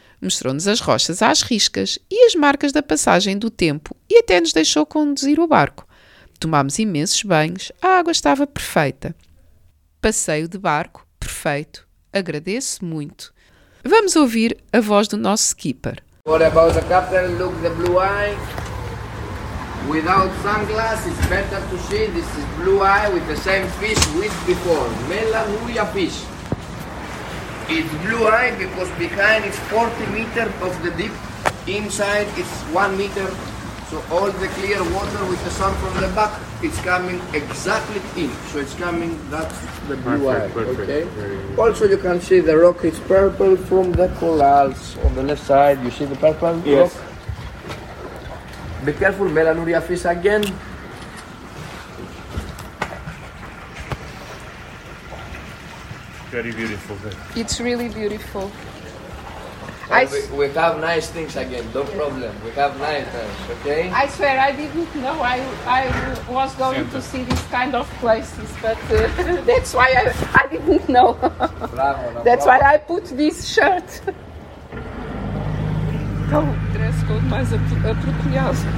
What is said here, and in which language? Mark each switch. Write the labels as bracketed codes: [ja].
[pt] Mostrou-nos as rochas às riscas e as marcas da passagem do tempo e até nos deixou conduzir o barco. Tomámos imensos banhos, a água estava perfeita. Passeio de barco, perfeito. Agradeço muito. Vamos ouvir a voz do nosso skipper. [en] What about the captain? Look the blue eye. Without sunglasses, it's better to see. This is blue eye with the same fish with before. Melanuria fish. It's blue eye because behind it's 40 meters of the deep. Inside it's 1 meter. So all the clear water with the sun from the back, it's coming exactly in. So it's coming, that's the blue perfect, eye. Perfect. Okay. Also, you can see the rock is purple from the corals on the left side. You see the purple yes. rock? Be careful, melanuria fish again. Very beautiful. Though. It's really beautiful. We have nice things again, no yes. problem. We have nice things, okay? I swear, I didn't know I was going Center. To see this kind of places, but that's why I didn't know. Bravo, no that's problem. Why I put this shirt. [pt] Então, dress code mais apropriado.